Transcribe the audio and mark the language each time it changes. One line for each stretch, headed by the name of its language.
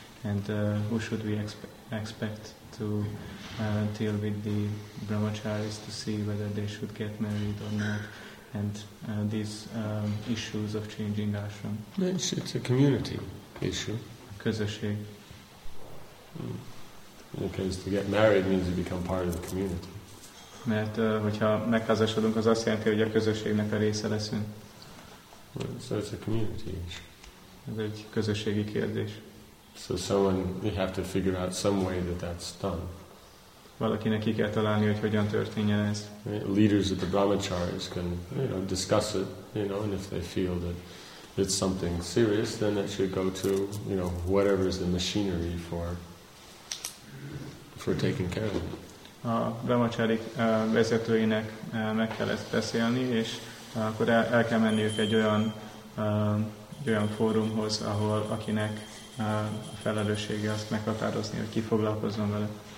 English: And who should we expect to deal with the brahmacharis to see whether they should get married or not? And these issues of changing ashram. It's a community issue.
Hungarian: Közösség.
English: Because to get married means to become part of the community.
Hungarian: Mert hogyha megházasodunk, az azt jelenti, hogy a közösségnek a része leszünk.
English: So it's a community issue.
Hungarian: Ez egy közösségi kérdés.
English: So someone, you have to figure out some way that that's done.
Hungarian: Valakinek ki kell találni, hogy hogyan történjen ez.
English: Leaders of the brahmacharis can, you know, discuss it, you know, and if they feel that it's something serious, then it should go to, you know, whatever is the machinery for taking care of it.
Hungarian: A brahmacharik vezetőinek meg kell ezt beszélni, és akkor el kell menniük egy olyan fórumhoz, ahol akinek a felelőssége azt meghatározni, hogy ki foglalkozzon vele.